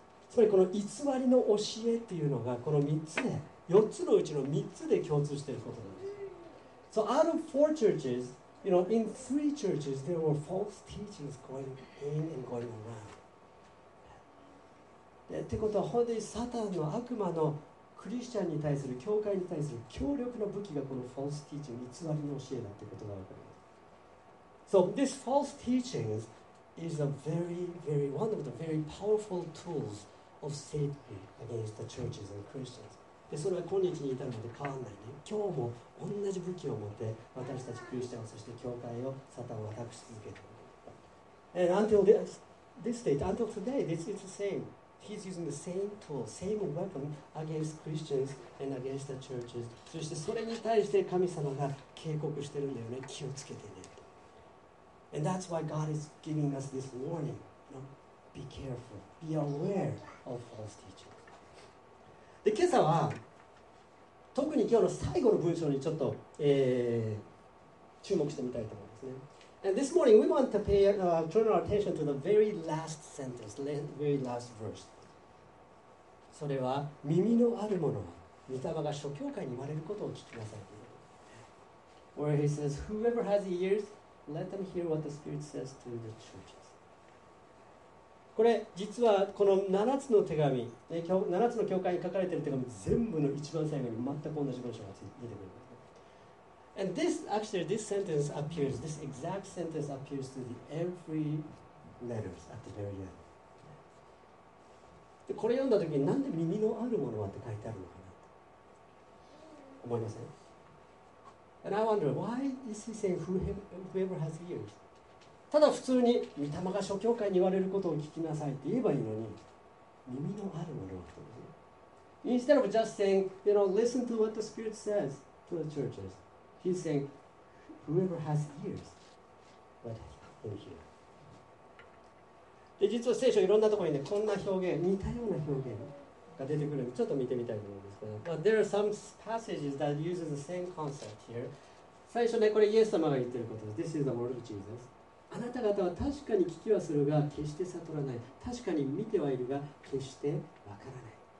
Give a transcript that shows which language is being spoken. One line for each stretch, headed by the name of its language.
Japanese: つまりこの偽りの教えっていうのがこの3つで、4つのうちの3つで共通していることなんです。
English: So out of four churches, you know, in three churches, there were false teachings going in and going around.
Japanese: ってことは本当にサタンの悪魔のクリスチャンに対する、教会に対する強力な武器がこの false teaching、偽りの教えだってことがわかります。
English: So this false teachings is a very, very, one of the very powerful tools. Of Satan against the churches and Christians.
Japanese: でそれは今日に至るまで変わらないね。今日も同じ武器を持って私たちクリスチャン、そして教会をサタンを渡し続けている。
English: And until this date, until today, this is the same. He's using the same tool, same weapon against Christians and against the churches.
Japanese: そしてそれに対して神様が警告してるんだよね。気をつけてね。
English: And that's why God is giving us this warning. Be careful. Be aware of false teaching.
Japanese: で、今朝は特に今日の最後の文章にちょっと、注目してみたいと思いますね。
English: And this morning we want to pay, turn our attention to the very last sentence, the very last verse.
Japanese: それは耳のある者は御霊が諸教会に言われることを聞きなさい。
English: Where he says, whoever has ears, let them hear what the Spirit says to the churches.
Japanese: これ実はこの7つの手紙、7つの教会に書かれている手紙全部の一番最後に全く同じ文章が出てくる。
English: And this, actually, this sentence appears, this exact sentence appears to the every letters at the very end.
Japanese: でこれ読んだ時になんで耳のあるものはって書いてあるのかなと思いません？
English: And I wonder, why is he saying whoever has ears?
Japanese: ただ普通に御霊が諸教会に言われることを聞きなさいって言えばいいのに、耳のあるものは。
English: Instead of just saying, you know, listen to what the Spirit says to the churches, he's saying, whoever has ears, let him hear.
Japanese: で、実は聖書いろんなところにね、こんな表現、似たような表現が出てくるので、ちょっと見てみたいと思うんですけど。
English: But there are some passages that use the same concept here.
Japanese: 最初ね、これイエス様が言ってることです。
English: This is the word of Jesus.
Japanese: あなた方は確かに聞きはするが決して悟らない。確かに見てはいるが決してわからない。